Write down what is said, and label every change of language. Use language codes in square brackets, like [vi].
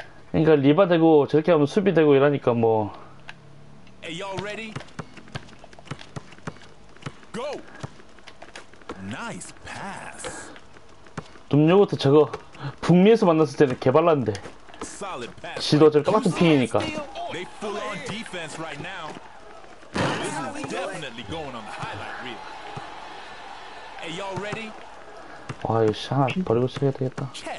[ko] 그러니까 리바 되고 저렇게 하면 수비 되고 이러니까 뭐. [en] Hey, y'all ready? Go. Nice pass. [ko] 눕요거트 저거 북미에서 만났을 때는 개발랐는데. 지도 저 똑같은 핑이니까. [en] They full on defense right now. This is definitely going on the highlight reel. [ko] 와, 이거 씨 하나 버리고 쓰게 되겠다.